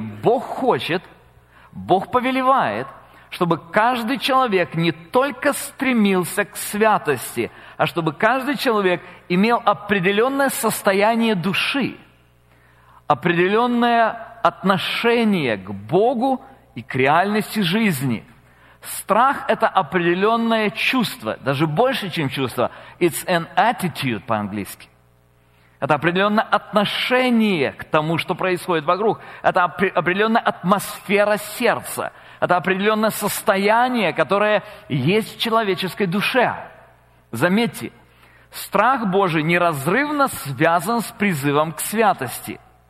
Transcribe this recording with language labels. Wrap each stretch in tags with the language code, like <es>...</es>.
<ru>Бог хочет, Бог повелевает, чтобы каждый человек не только стремился к святости, а чтобы каждый человек имел определенное состояние души, определенное отношение к Богу и к реальности жизни. Страх – это определенное чувство, даже больше, чем чувство.</ru> <en>It's an attitude</en> <ru>по-английски. Это определенное отношение к тому, что происходит вокруг. Это определенная атмосфера сердца. Это определенное состояние, которое есть в человеческой душе. Заметьте, страх Божий неразрывно связан с призывом к святости.</ru>